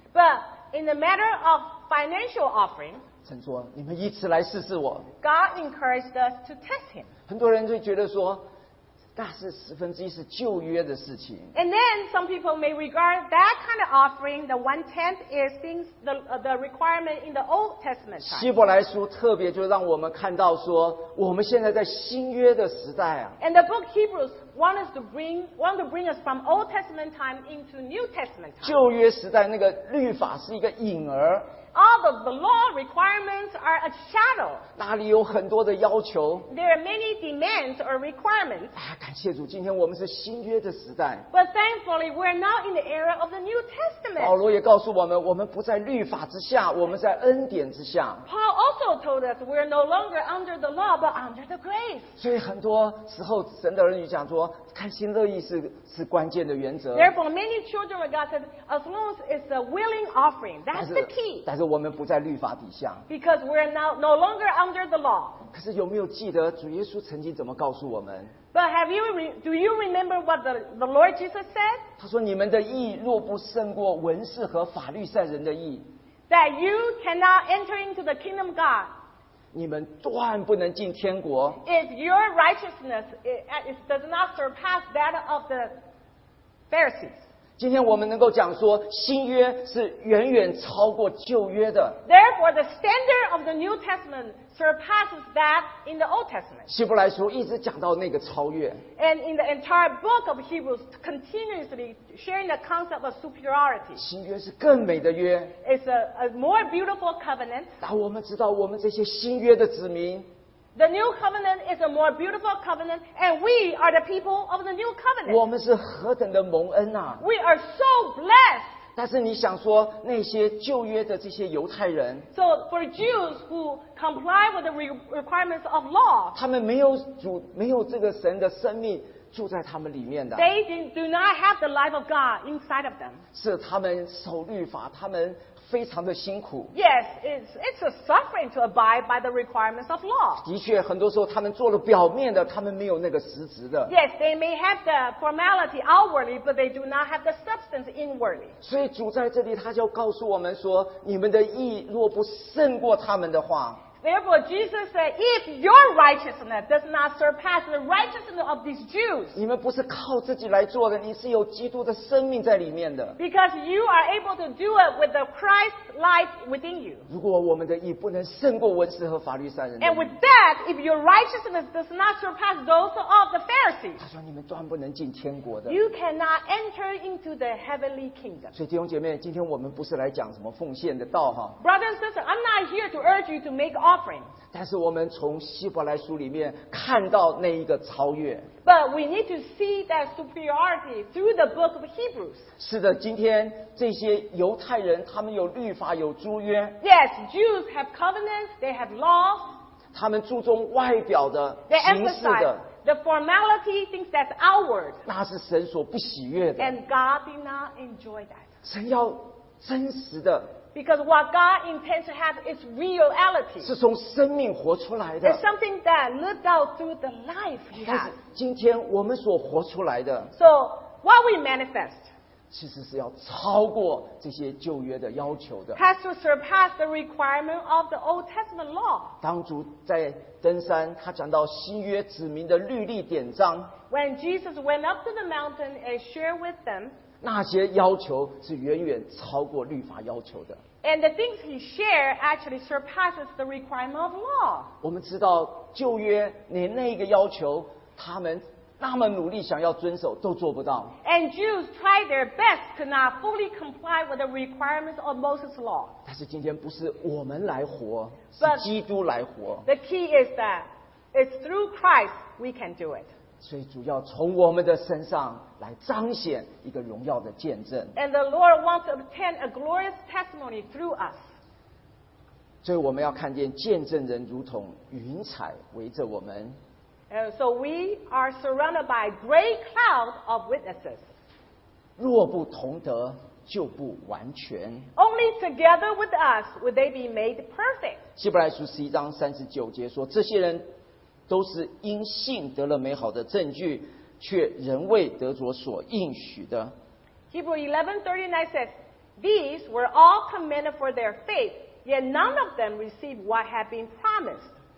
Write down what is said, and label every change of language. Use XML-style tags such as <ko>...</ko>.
<en>But in the matter of financial offering,</en> <zh>神说你们以此来试试我。</zh> <en>God encouraged us to test him.</en> <zh>很多人会觉得说，那是十分之一是旧约的事情。</zh> <en>And then some people may regard that kind of offering, the one tenth, is things the requirement in the Old Testament.</en> <zh>希伯来书特别就让我们看到说，我们现在在新约的时代啊。</zh> <en>And the book Hebrews want to bring us from Old Testament time into New Testament time.</en> <zh>旧约时代那个律法是一个影儿。</zh> <en>All of the law requirements are a shadow.</en> <zh>那里有很多的要求。</zh> <en>There are many demands or requirements.</en> <zh>啊，感谢主，今天我们是新约的时代。</zh> <en>But thankfully, we're now in the era of the New Testament.</en> <zh>保罗也告诉我们，我们不在律法之下，我们在恩典之下。</zh> <en>Paul also told us we're no longer under the law, but under the grace.</en> <zh>所以很多时候，神的儿女讲说，甘心乐意是关键的原则。</zh> <en>Therefore, many children of God said, as long as it's a willing offering, that's the key.</en> <zh>但是我们不在律法底下</zh> <en>Because we're now no longer under the law</en> <zh>可是有没有记得主耶稣曾经怎么告诉我们</zh> <en>But do you remember what the Lord Jesus said?</en> <zh>他说你们的义若不胜过文士和法律赛人的义</zh> <en>That you cannot enter into the kingdom of God</en> <zh>你们断不能进天国</zh> <en>If your righteousness does not surpass that of the Pharisees</en> <zh>今天我们能够讲说新约是远远超过旧约的</zh> <en>Therefore the standard of the New Testament surpasses that in the Old Testament</en> <zh>希伯来书一直讲到那个超越</zh> <en>And in the entire book of Hebrews continuously sharing the concept of superiority</en> <zh>新约是更美的约</zh> <en>It's a more beautiful covenant</en> <zh>但我们知道我们这些新约的子民</zh> <en>The new covenant is a more beautiful covenant, and we are the people of the new covenant.</en> <zh>我们是何等的蒙恩啊</zh> <en>We are so blessed.</en> <zh>但是你想说那些旧约的这些犹太人</zh> <en>So for Jews who comply with the requirements of law,</en> <zh>他们没有这个神的生命住在他们里面的</zh> <en>They do not have the life of God inside of them.</en> <zh>是他们守律法，他们非常的辛苦</zh> <en>Yes, it's a suffering to abide by the requirements of law.</en> <zh>的确，很多时候他们做了表面的，他们没有那个实质的。</zh> <en>Yes, they may have the formality outwardly, but they do not have the substance inwardly.</en> <zh>所以主在这里，他就告诉我们说，你们的义若不胜过他们的话。</zh> <en>Therefore, Jesus said, if your righteousness does not surpass the righteousness of these Jews,</en> <zh>你们不是靠自己来做的，你是有基督的生命在里面的。</zh> <en>Because you are able to do it with the Christ life within you.</en> <zh>如果我们的义不能胜过文士和法律赛人的。</zh> <en>And with that, if your righteousness does not surpass those of the Pharisees,</en> <zh>他说你们断不能进天国的。</zh> <en>You cannot enter into the heavenly kingdom.</en> <zh>所以弟兄姐妹，今天我们不是来讲什么奉献的道哈。</zh> <en>Brother and sister, I'm not here to urge you to make offering.</en> <zh>但是我们从希伯来书里面看到那一个超越。</zh> <en>But we need to see that superiority through the book of Hebrews.</en> <zh>是的，今天这些犹太人他们有律法，有诸约。</zh> <en>Yes, Jews have covenants, they have laws.</en> <zh>他们注重外表的、形式的。</zh> <en>The formality thinks that's outward.</en> <zh>那是神所不喜悦的。</zh> <en>And God did not enjoy that.</en> <zh>神要真实的。</zh> <en>Because what God intends to have is reality.</en> <zh>是从生命活出来的。</zh> <en>It's something that lived out through the life you have.</en> <zh>今天我们所活出来的。</zh> <en>So what we manifest.</en> <zh>其实是要超过这些旧约的要求的。</zh> <en>Has to surpass the requirement of the Old Testament law.</en> <zh>当主在登山，他讲到新约指明的律例典章。</zh> <en>When Jesus went up to the mountain and shared with them.</en> <zh>那些要求是远远超过律法要求的。</zh> <en>And the things he shared actually surpasses the requirement of law.</en> <zh>我们知道旧约连那个要求，他们那么努力想要遵守都做不到。</zh> <en>And Jews tried their best to not fully comply with the requirements of Moses' law.</en> <zh>但是今天不是我们来活，是基督来活。</zh> <en>But the key is that it's through Christ we can do it.</en> <zh>所以主要从我们的身上来彰显一个荣耀的见证。</zh> <en>And the Lord wants to obtain a glorious testimony through us.</en> <zh>所以我们要看见见证人如同云彩围着我们。</zh> <en>And so we are surrounded by a great cloud of witnesses.</en> <zh>若不同德，就不完全。</zh> <en>Only together with us would they be made perfect.</en> <zh>希伯来书十一章三十九节说，这些人都是因信得了美好的证据，却仍未得着所应许的。</zh> <en>Hebrews 11:39 says, "These were all commended for their faith, yet none of them received what had been promised."</en>